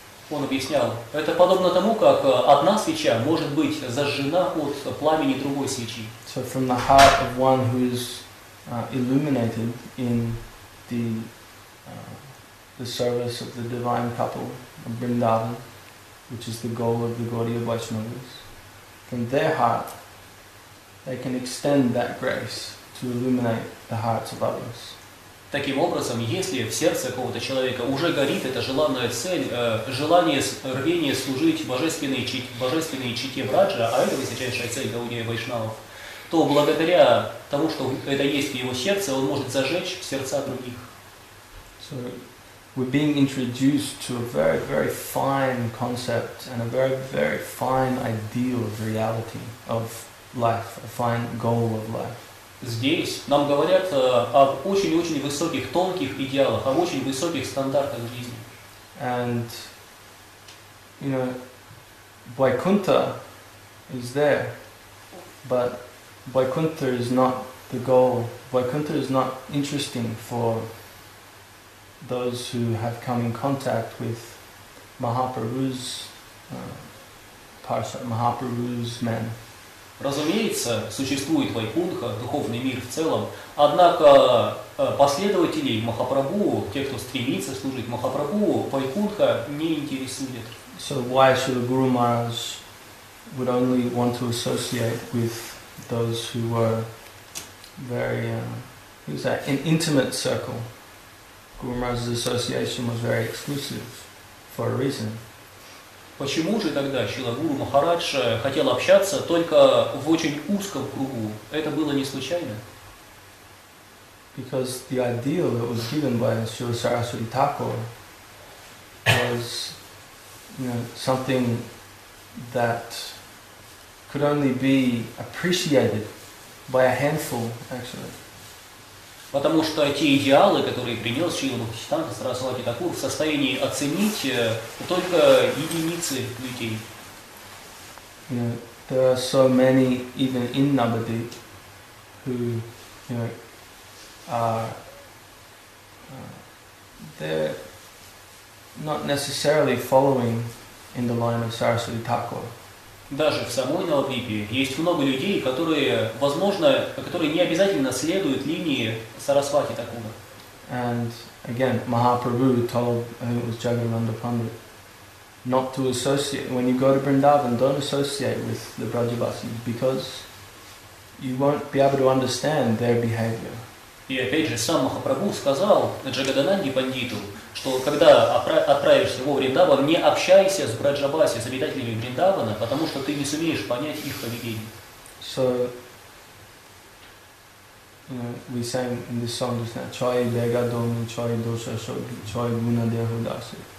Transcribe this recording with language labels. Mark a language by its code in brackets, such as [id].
[ru] Он объяснял, это подобно тому, как одна свеча может быть зажжена от пламени другой свечи. [en] So from the heart of one who is illuminated in the service of the divine couple, of Vrindavan, which is the goal of the Gaudiya Vaishnavas, from their heart, they can extend that grace to illuminate the hearts of others. [ru] Таким образом, если в сердце какого-то человека уже горит эта желанная цель, желание, рвение служить божественной чите Враджа, а это высочайшая цель Гаудия Вайшнавов, то благодаря тому, что это есть в его сердце, он может зажечь сердца других. [en] So we're being introduced to a very, very fine concept and a very, very fine ideal of reality, of life, a fine goal of life. [ru] Здесь нам говорят об очень-очень высоких, тонких идеалах, об очень высоких стандартах жизни. [en] And, you know, Vaikuntha is there, but Vaikuntha is not the goal. Vaikuntha is not interesting for those who have come in contact with Mahaprabhu's parsa, Mahaprabhu's men. [ru] Разумеется, существует Вайкунха, духовный мир в целом, однако последователей Махапрабху, те, кто стремится служить Махапрабху, Вайкунха не интересует. [en] So why should the Guru Maharaj would only want to associate with those who were very, who's that, an intimate circle? Guru Maharaj's association was very exclusive for a reason. [ru] Почему же тогда Шрила Гуру Махарадж хотел общаться только в очень узком кругу? Это было не случайно? [en] Because the ideal that was given by Srila Saraswati Thakur was, you know, something that could only be appreciated by a handful, actually. [ru] Потому что те идеалы, которые принес Шрила Бхактисиддханта Сарасвати Такур, в состоянии оценить только единицы людей. [en] You know, there are so many, even in Navadvip, who, you know, are, they're not necessarily following in the line of Sarasvati Thakur. [ru] Даже в самой Навадвипе есть много людей, которые, возможно, которые не обязательно следуют линии Сарасвати Такура. [en] And again, Mahaprabhu told, I think it was Jagannanda Pandit, not to associate, when you go to Vrindavan, don't associate with the Brajavasis, because you won't be able to understand their behavior. [ru] И опять же, сам Махапрабху сказал Джагадананде Пандиту, что когда отправишься во Вриндаван, не общайся с Браджабаси, с обитателями Вриндавана, потому что ты не сумеешь понять их поведение. [en] So, you know, we sang in this song just now, Chai Bega Domi, Chai Dosha Shogi, Chai Guna Deho Dasi.